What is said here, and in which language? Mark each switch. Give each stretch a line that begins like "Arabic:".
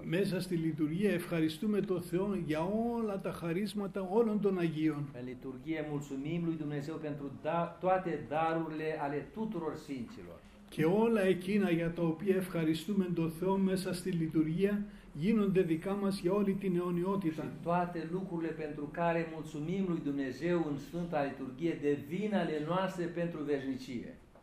Greek: Μέσα στη λειτουργία ευχαριστούμε τον Θεό για όλα τα χαρίσματα όλων των Αγίων.
Romanian: În liturghie mulțumim lui Dumnezeu pentru toate darurile ale tuturor Sfinților.
Greek: Και όλα εκείνα για τα οποία ευχαριστούμε τον Θεό μέσα στη λειτουργία γίνονται δικά μας για όλη την αιωνιότητα.
Romanian: Și toate lucrurile pentru care mulțumim lui Dumnezeu în Sfânta Liturghie devin ale noastre pentru veșnicie.